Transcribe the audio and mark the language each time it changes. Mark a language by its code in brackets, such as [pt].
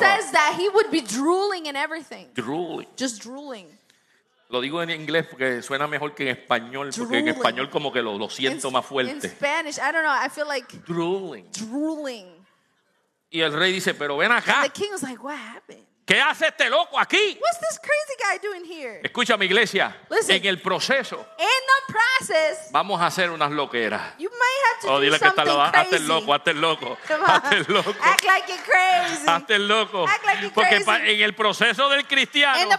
[en] Says that he would be drooling and everything. Drooling. Just drooling. [es] Lo digo en inglés porque suena mejor que en español. [en] Drooling. [es] Porque en español como que lo siento [en] in, [es] más fuerte. [en] In Spanish, I don't know, I feel like drooling. Drooling. [es] Y el rey dice, pero ven acá. [en] And the king was like, what happened? [es] ¿Qué hace este loco aquí? [en] What's this crazy guy doing here? [es] Escúchame, iglesia. [en] Listen, [es] en el proceso. [en] In the process. [es] Vamos a hacer unas loqueras. [en] You might have to oh, do [es] dile [en] something [es] que está [en] crazy. [es] Hazte el loco, hazte el loco. Hazte el loco. [en] Act like you're crazy. [es] Hazte el loco. [en] Act like you're crazy. [es] Porque en el proceso del cristiano.